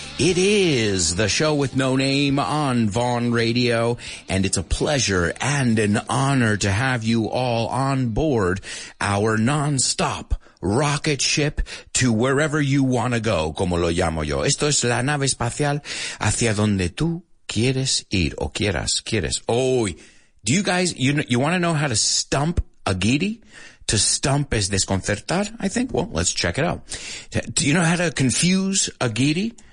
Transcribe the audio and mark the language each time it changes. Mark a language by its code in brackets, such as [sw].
[en] It is the Show With No Name on Vaughn Radio, and it's a pleasure and an honor to have you all on board our nonstop rocket ship to wherever you want to go, [es] como lo llamo yo. Esto es la nave espacial hacia donde tú quieres ir o quieres. Oy. [en] Do you guys, you want to know how to stump a giddy? To stump [es] es desconcertar, [en] I think. Well, let's check it out. Do you know how to confuse a giri?